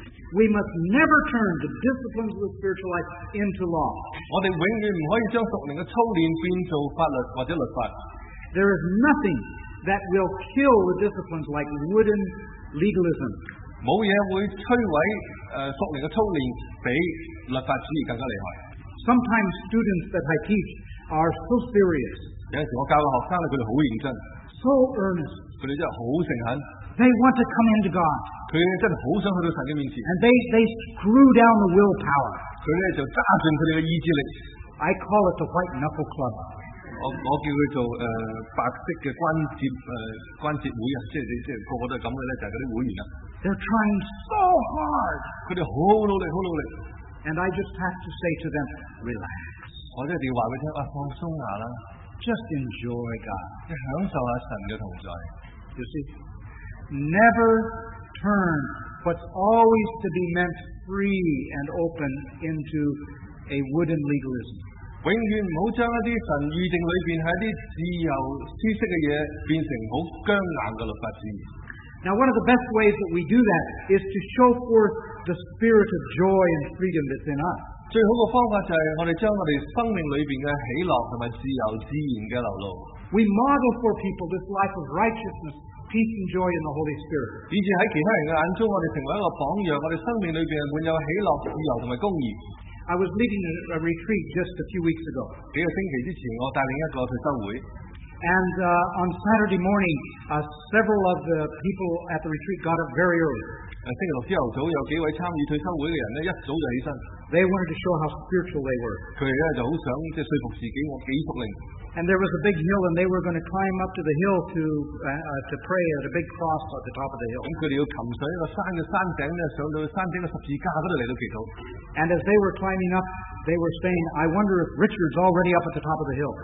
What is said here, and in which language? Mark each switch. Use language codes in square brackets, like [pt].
[en] We must never turn the disciplines of the spiritual life into law. [yue] 我哋永远唔可以将属灵嘅操练变做法律或者律法。 [en] There is nothing that will kill the disciplines like wooden legalism. [yue] 冇嘢会摧毁属灵嘅操练比律法主义更加厉害。 [en] Sometimes students that I teach are so serious. [yue] 有时我教嘅学生咧，佢哋好认真。 [en] So earnest. [yue] 佢哋真系好诚恳。 [en] They want to come into God. [yue] 佢真係好想去到神嘅面前。 [en] And they screw down the willpower. [yue] 佢咧就揸緊佢哋嘅意志力。 [en] I call it the white knuckle club. [yue] 我叫佢做白色嘅關節會啊，即係個個都係咁嘅咧，就係嗰啲會員啊。 [en] They're trying so hard. [yue] 佢哋好努力，好努力。 [en] And I just have to say to them, relax. [yue] 我我都要告訴他們，放鬆一下， [en] Just enjoy God， [yue] 享受一下神的同在。 [en] You see， Never turn what's always to be meant free and open into a wooden legalism。 [yue] 永遠不要將一些神預定裡面是一些自由知識的東西變成很僵硬的律法主義。 [en] Now, one of the best ways that we do that is to show forth the spirit of joy and freedom that's in us. [yue] 最好的方法就是我们将我们生命里面的喜乐和自由自然的流露。 [en] We model for people this life of righteousness, peace and joy in the Holy Spirit. [yue] 以致在其他人的眼中，我们成为一个榜样，我们生命里面满有喜乐、自由和公义。 [en] I was leading a retreat just a few weeks ago. [yue] 几个星期之前，我带领一个退休会。 [en] And on Saturday morning, several of the people at the retreat got up very early. [yue] 星期六朝早有幾位參與退休會嘅人咧，一早就起身。 [en] They wanted to show how spiritual they were. [yue] 佢哋咧就好想即係説服自己我幾屬靈。 [en] And there was a big hill, and they were going to climb up to the hill to pray at a big cross at the top of the hill. [yue] 咁佢哋要擒上一個山嘅山頂咧，上到山頂嘅十字架嗰度嚟到祈禱。 [en] And as they were climbing up, they were saying, "I wonder if Richard's already up at the top of the hill."